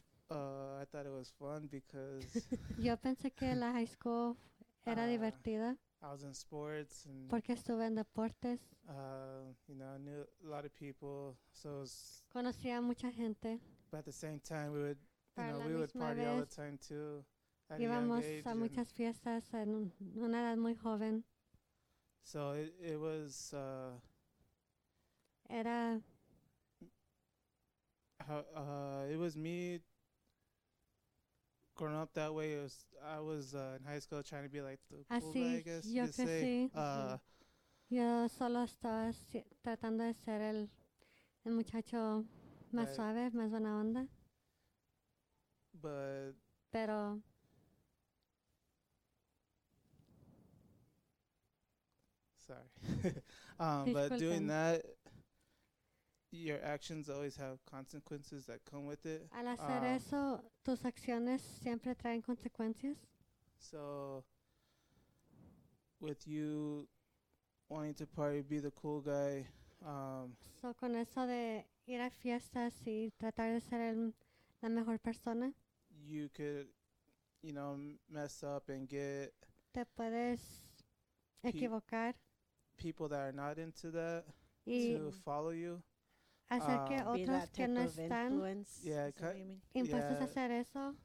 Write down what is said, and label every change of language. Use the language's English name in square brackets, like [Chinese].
[English] I thought it was fun because [Spanish] yo pensé que la high school era divertida. [English] I was in sports and [Spanish] porque estuve en deportes. [English] You know, I knew a lot of people, so it was [Spanish] conocía mucha gente. [English] But at the same time, we would, you know, we would party all the time too. [Spanish] Íbamos a muchas fiestas en una edad muy joven. [English] So it was [Spanish] era [English] it was me growing up that way. I was in high school trying to be like the cool guy, I guess you could say. [Spanish] Yo solo estaba tratando de ser el muchacho más suave, más buena onda. Pero [English] sorry. but doing that, your actions always have consequences that come with it. [Spanish] Al hacer eso, tus acciones siempre traen consecuencias. [English] So with you wanting to party, be the cool guy. [Spanish] So con eso de ir a fiestas y tratar de ser la mejor persona. [English] You could, you know, mess up and get [Spanish] te puedes equivocar. [English] People that are not into that to follow you. [Spanish] Hacer que otros [English] be that [Spanish] que [English] type [Spanish] no [English] of [Spanish] están impuestos a hacer eso.